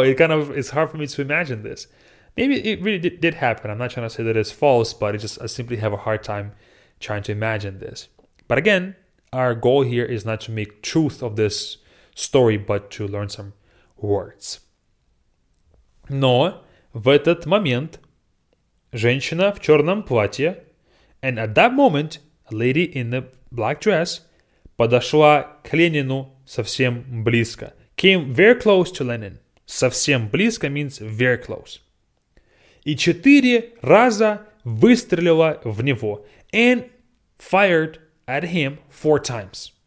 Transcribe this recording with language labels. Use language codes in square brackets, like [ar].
[en] It's hard for me to imagine this. Maybe it really did happen. I'm not trying to say that it's false, but I simply have a hard time trying to imagine this. But again, our goal here is not to make truth of this story, but to learn some words. [ru] Но в этот момент женщина в черном платье, [en] and at that moment, a lady in the black dress, [ru] подошла к Ленину совсем близко. [en] Came very close to Lenin. Совсем близко means very close. [ru] И четыре раза выстрелила в него. [en] And fired at him four times.